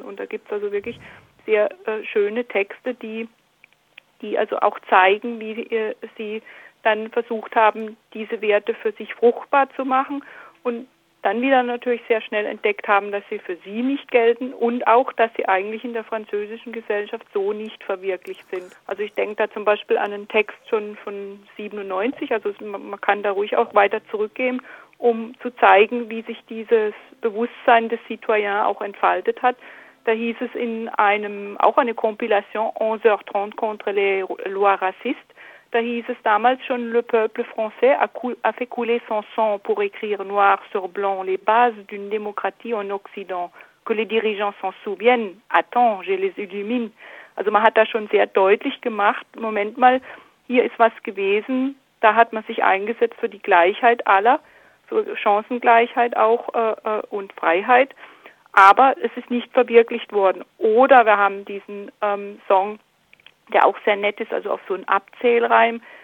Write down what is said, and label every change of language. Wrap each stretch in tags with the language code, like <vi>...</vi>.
<de>Und da gibt's also wirklich sehr schöne Texte, die also auch zeigen, wie sie dann versucht haben, diese Werte für sich fruchtbar zu machen und dann wieder natürlich sehr schnell entdeckt haben, dass sie für sie nicht gelten und auch, dass sie eigentlich in der französischen Gesellschaft so nicht verwirklicht sind. Also ich denke da zum Beispiel an einen Text schon von 97, also man kann da ruhig auch weiter zurückgehen, um zu zeigen, wie sich dieses Bewusstsein des Citoyens auch entfaltet hat. Da hieß es in einem, auch eine Compilation, 11h30 contre les lois racistes, da hieß es damals schon,</de> <fr>le peuple français a fait couler son sang pour écrire noir sur blanc les bases d'une démocratie en Occident. Que les dirigeants s'en souviennent. Attends, je les illumine.</fr> <de>Also man hat da schon sehr deutlich gemacht, Moment mal, hier ist was gewesen, da hat man sich eingesetzt für die Gleichheit aller, für Chancengleichheit auch und Freiheit, aber es ist nicht verwirklicht worden. Oder wir haben diesen Song, der auch sehr nett ist, also auf so einen Abzählreim.</de>